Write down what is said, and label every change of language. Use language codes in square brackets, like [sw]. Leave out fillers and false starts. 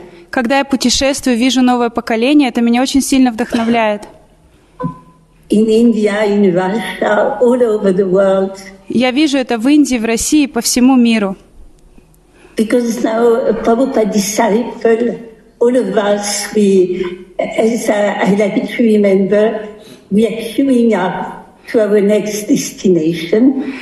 [ru] Когда я путешествую, вижу новое поколение, это меня очень сильно вдохновляет. [en] In India, in Russia, all over the world. [ru] Я вижу это в Индии, в России, по всему миру. [en] Because now Prabhupada disciple, all of us, we, as I like to remember, we are queuing up to our next destination.